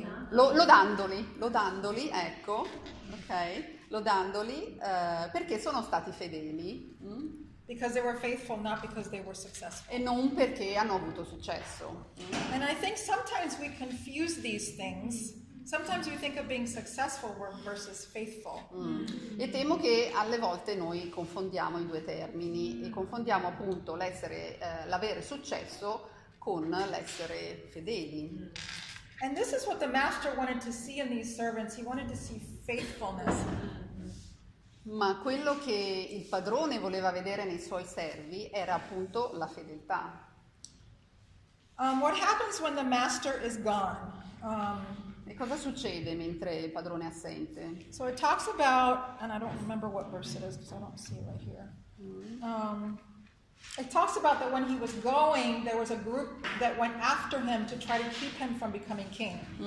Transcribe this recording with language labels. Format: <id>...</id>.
<it>Lodandoli, ecco, ok, lodandoli perché sono stati fedeli.</it> <en>Because they were faithful, not because they were successful.</en> <it>E non perché hanno avuto successo.</it> <en>And I think sometimes we confuse these things. Sometimes you think of being successful versus faithful.</en> <it>E temo che alle volte noi confondiamo i due termini e confondiamo appunto l'avere successo con l'essere fedeli.</it> <en>And this is what the master wanted to see in these servants. He wanted to see faithfulness.</en> <it>Ma quello che il padrone voleva vedere nei suoi servi era appunto la fedeltà.</it> <en>What happens when the master is gone?</en> <it>E cosa succede mentre il padrone è assente?</it> <en>So it talks about, and I don't remember what verse it is because I don't see it right here. It talks about that when he was going, there was a group that went after him to try to keep him from becoming king.</en>